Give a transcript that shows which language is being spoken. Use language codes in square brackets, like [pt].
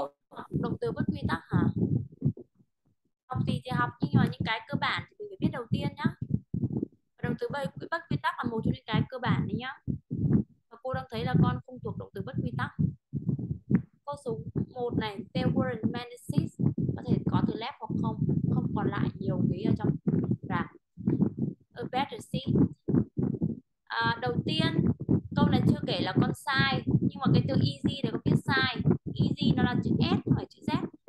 [vi] không? Động từ bất quy tắc hả? Học gì thì học, nhưng mà những cái cơ bản thì mình phải biết đầu tiên nhá. Động từ bất quy tắc là một trong những cái cơ bản đấy nhá. Và cô đang thấy là con không thuộc động từ bất quy tắc. Câu số 1 này, [en] there weren't many seats. [vi] Có thể có từ left hoặc không, không còn lại nhiều ghế ở trong rạp. [en] A better seat. [vi] À, đầu tiên câu này chưa kể là con sai, nhưng mà cái từ easy để có biết sai. Easy nó là chữ S không phải chữ Z.